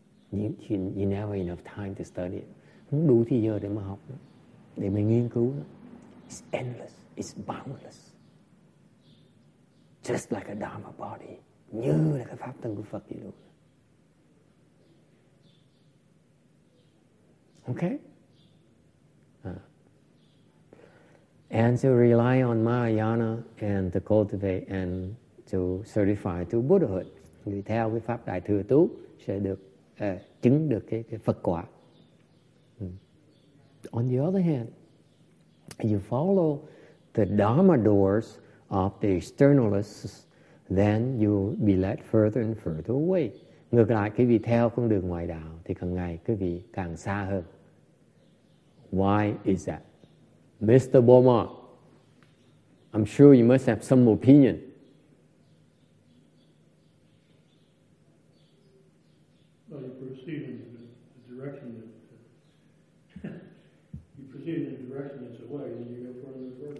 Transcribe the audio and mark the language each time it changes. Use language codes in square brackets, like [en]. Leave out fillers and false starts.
[en] You never have enough time to study it. [vi] Không đủ thời giờ để mà học, để mà nghiên cứu. [en] It's endless. It's boundless. Just like a Dharma body. [vi] Như là cái pháp tân của Phật vậy luôn. [en] Okay? And to rely on Mahayana and to cultivate and to certify to Buddhahood. [vi] Người theo cái pháp Đại Thừa tu sẽ được chứng được cái Phật quả. [en] On the other hand, you follow the Dharma doors of the externalists, then you be led further and further away. [vi] Ngược lại, quý vị theo con đường ngoại đạo thì càng ngày quý vị càng xa hơn. [en] Why is that? Mr. Beaumont, I'm sure you must have some opinion. Well, you proceed in the direction that you proceed in the direction that's away, then you go further and further.